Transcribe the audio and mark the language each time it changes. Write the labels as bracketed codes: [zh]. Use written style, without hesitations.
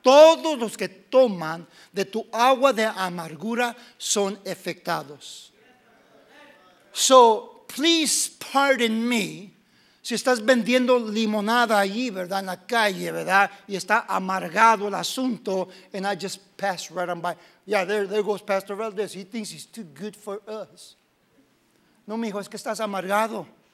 [es] Todos los que toman de tu agua de amargura son afectados. [en] So, please pardon me. [es] Si estás vendiendo limonada allí, ¿verdad? En la calle, ¿verdad? Y está amargado el asunto. [en] And I just pass right on by. Yeah, there goes Pastor Valdez. He thinks he's too good for us. [es] No, mijo, es que estás amargado.